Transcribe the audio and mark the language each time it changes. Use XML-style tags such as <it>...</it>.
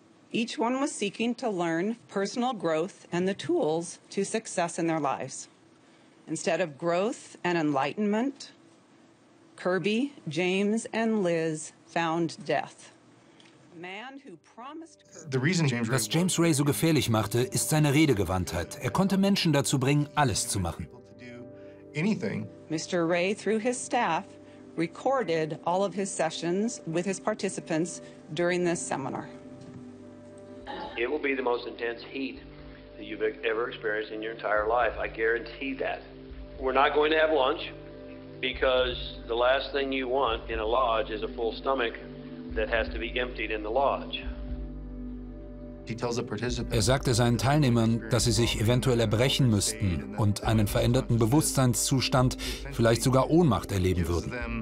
<en>Each one was seeking to learn personal growth and the tools to success in their lives. Instead of growth and enlightenment, Kirby, James, and Liz found death.</en> <de>Was James Ray so gefährlich machte, ist seine Redegewandtheit. Er konnte Menschen dazu bringen, alles zu machen.</de> <en>Mr. Ray, through his staff, recorded all of his sessions with his participants during this seminar. It will be the most intense heat that you've ever experienced in your entire life. I guarantee that. We're not going to have lunch because the last thing you want in a lodge is a full stomach that has to be emptied in the lodge.</en> <de>Er sagte seinen Teilnehmern, dass sie sich eventuell erbrechen müssten und einen veränderten Bewusstseinszustand, vielleicht sogar Ohnmacht erleben würden.</de>